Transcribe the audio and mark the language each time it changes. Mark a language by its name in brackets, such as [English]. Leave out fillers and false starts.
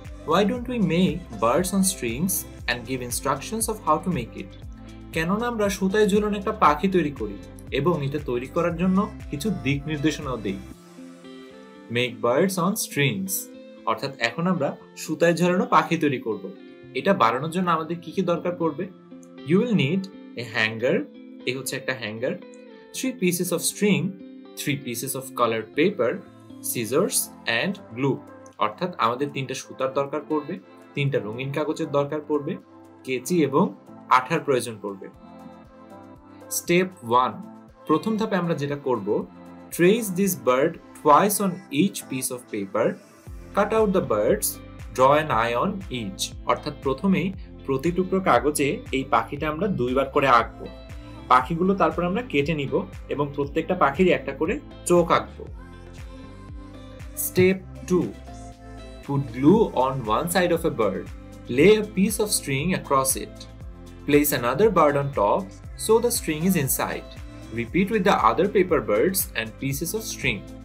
[English] Why don't we make birds on strings and give instructions of how to make it? [Bangla] কেননা আমরা সুতায় ঝুলন একটা পাখি তৈরি করি এবং এটা তৈরি করার জন্য কিছু দিক নির্দেশনাও দেই। [English] Make birds on strings. [Bangla] অর্থাৎ এখন আমরা সুতায় ঝুলানো পাখি তৈরি করব। এটা বানানোর জন্য আমাদের কি কি দরকার পড়বে? [English] You will need a hanger. [Bangla] এই হচ্ছে একটা hanger. [English] 3 pieces of string. 3 pieces of colored paper, scissors and glue. [Bangla] অর্থাৎ আমাদের তিনটা সুতার দরকার পড়বে, তিনটা রঙিন কাগজের দরকার পড়বে, কেচি এবং আঠার প্রয়োজন পড়বে। [English] Step 1. [Bangla] প্রথম ধাপে আমরা যেটা করব, [English] trace this bird twice on each piece of paper, cut out the birds, draw an eye on each. [Bangla] অর্থাৎ প্রথমেই প্রতি টুকরো কাগজে এই পাখিটা আমরা দুইবার করে আঁকবো। পাখিগুলো তারপর আমরা কেটে নিব এবং প্রত্যেকটা পাখিরই একটা করে চোখ আঁকব। [English] Step 2, put glue on one side of a bird, lay a piece of string across it, place another bird on top so the string is inside, repeat with the other paper birds and pieces of string.